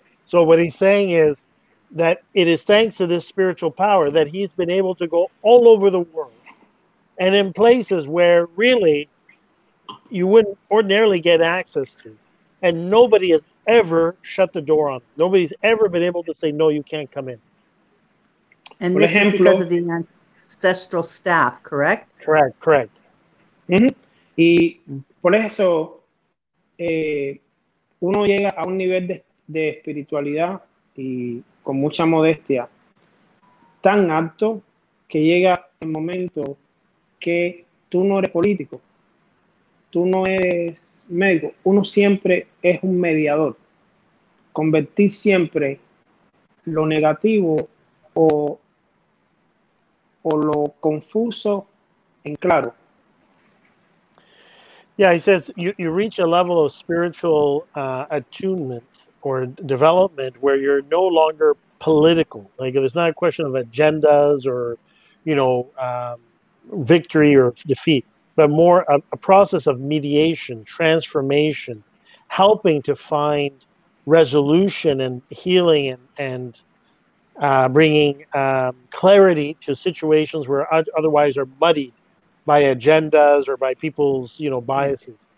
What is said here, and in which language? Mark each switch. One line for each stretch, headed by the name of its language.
English: So what he's saying is that it is thanks to this spiritual power that he's been able to go all over the world and in places where really you wouldn't ordinarily get access to. And nobody has ever shut the door on him. Nobody's ever been able to say, no, you can't come in. And this is because of the ancestral staff, correct? Correct, correct. Mm-hmm.
Spanish: Y por eso uno llega a un nivel de espiritualidad y con mucha modestia tan alto que llega el momento que tú no eres político, tú no eres médico, uno siempre es un mediador. Convertir siempre lo negativo o lo confuso en claro.
English: Yeah, he says you reach a level of spiritual attunement or development where you're no longer political. Like, it's not a question of agendas or, you know, victory or defeat, but more a process of mediation, transformation, helping to find resolution and healing and bringing clarity to situations where otherwise are muddied by agendas or by people's, you know, biases.